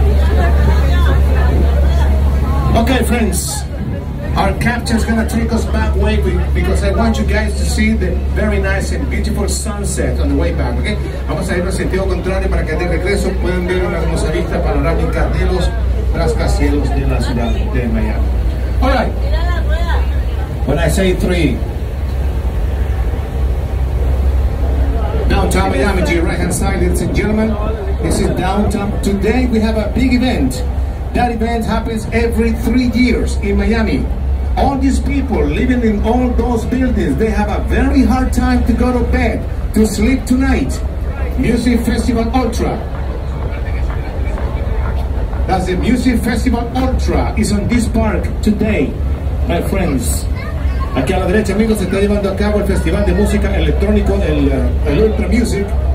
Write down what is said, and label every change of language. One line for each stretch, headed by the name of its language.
English: Okay, friends, our captain is gonna take us back way because I want you guys to see the very nice and beautiful sunset on the way back.
Spanish: Okay, vamos a ir al sentido contrario para que de regreso puedan ver una hermosa vista panorámica de los rascacielos de la ciudad de Miami.
English: All right. When I say three, downtown Miami, to your right hand side, ladies and gentlemen, this is downtown. Today we have a big event. That event happens every 3 years in Miami. All these people living in all those buildings, they have a very hard time to go to bed, to sleep tonight. Music Festival Ultra. That's the Music Festival Ultra is on this park today, my friends.
Spanish: Aquí a la derecha, amigos, se está llevando a cabo el Festival de Música Electrónico, el Ultra Music.